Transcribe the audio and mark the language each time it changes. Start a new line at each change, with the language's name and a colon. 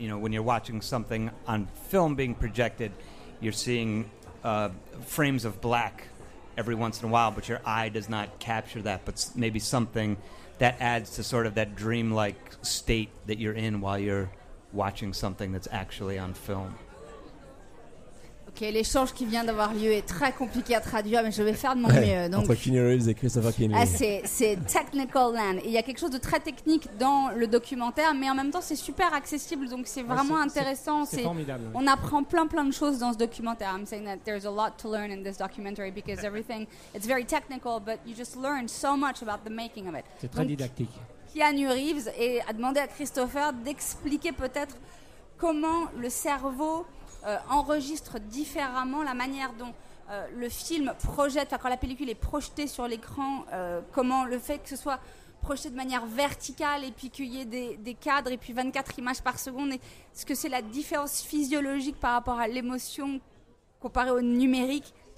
English: You know, when you're watching something on film being projected, you're seeing frames of black every once in a while, but your eye does not capture that. But maybe something that adds to sort of that dreamlike state that you're in while you're watching something that's actually on film.
French: Ok, l'échange qui vient d'avoir lieu est très compliqué à traduire, mais je vais faire de mon mieux. Donc, entre Keanu Reeves et Christopher Kinney. C'est
English: technical land.
French: Il y a quelque chose de très technique dans le documentaire, mais en même temps, c'est super accessible, donc c'est vraiment intéressant. C'est formidable. On apprend plein de choses dans ce documentaire.
English: I'm saying that there's a lot to learn in this documentary because everything, it's very technical, but you just learn so much about the making of it.
French: C'est très didactique. Keanu Reeves a demandé à Christopher d'expliquer peut-être comment le cerveau enregistre différemment la manière dont le film projette, quand la pellicule est projetée sur l'écran, comment le fait que ce soit projeté de manière verticale et puis qu'il y ait des cadres et puis 24 images par seconde, et ce que c'est la différence physiologique par rapport à l'émotion comparée au numérique.